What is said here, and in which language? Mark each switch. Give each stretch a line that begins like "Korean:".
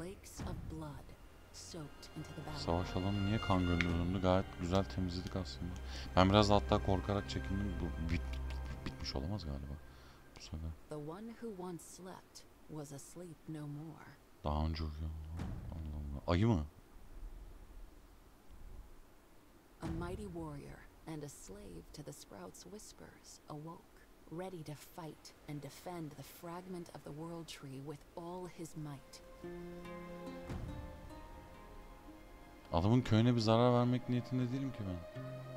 English: Lakes of blood soaked into the battle.
Turkish: Savaş alanı niye kan gönderildi? Gayet güzel temizledik aslında. Ben biraz hatta korkarak çekindim. Bu bitmiş olamaz galiba.
English: The one who once slept was asleep no more.
Turkish: Daha önce uyuyordu. Ayı mı?
English: A mighty warrior and a slave to the Sprout's whispers awoke, ready to fight and defend the fragment of the world tree with all his might.
Turkish: Adamın köyüne bir zarar vermek niyetinde değilim ki ben.